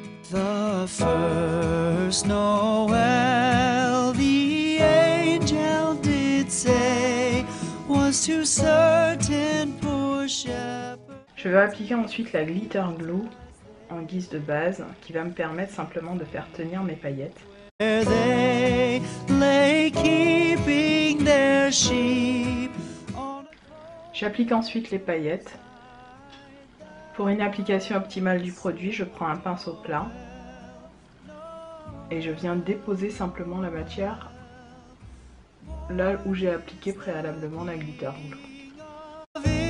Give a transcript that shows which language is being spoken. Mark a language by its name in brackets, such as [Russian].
[English] The first Noel the angel did say was to certain poor shepherds. [French] Je vais appliquer ensuite la glitter glue en guise de base qui va me permettre simplement de faire tenir mes paillettes. [English] Where they lay keeping their sheep. [French] J'applique ensuite les paillettes. Pour une application optimale du produit, je prends un pinceau plat et je viens déposer simplement la matière là où j'ai appliqué préalablement la glitter glue.